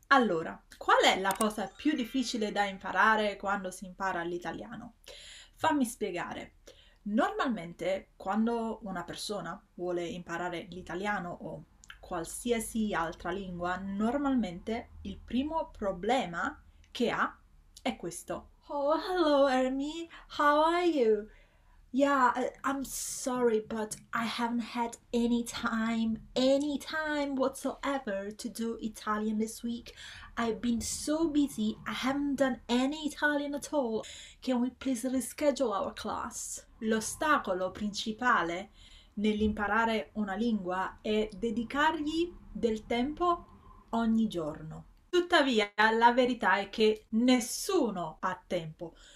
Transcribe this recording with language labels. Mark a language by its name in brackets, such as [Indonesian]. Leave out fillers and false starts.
[Italian] Allora, qual è la cosa più difficile da imparare quando si impara l'italiano? Fammi spiegare. Normalmente, quando una persona vuole imparare l'italiano o qualsiasi altra lingua, normalmente il primo problema che ha è questo. [English] Oh, hello Ermi, how are you? Yeah, I'm sorry, but I haven't had any time whatsoever to do Italian this week. I've been so busy, I haven't done any Italian at all. Can we please reschedule our class? [Italian] L'ostacolo principale nell'imparare una lingua è dedicargli del tempo ogni giorno. Tuttavia, la verità è che nessuno ha tempo.